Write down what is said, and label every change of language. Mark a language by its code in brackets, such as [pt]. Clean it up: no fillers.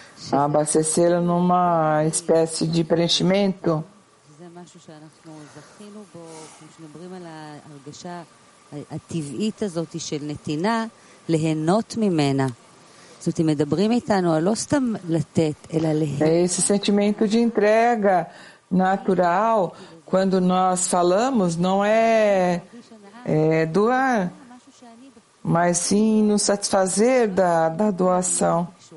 [pt] Abastecê-la numa espécie de preenchimento. [he] משהו שאנחנו זכינו בו, כמו שמדברים על ההרגשה הטבעית הזאת של נתינה, להנות ממנה. זאת אומרת, אם מדברים איתנו על לא סתם לתת, אלא להנות. [pt] Esse sentimento de entrega natural, quando nós falamos, não é, é doar, mas sim nos satisfazer da, da doação.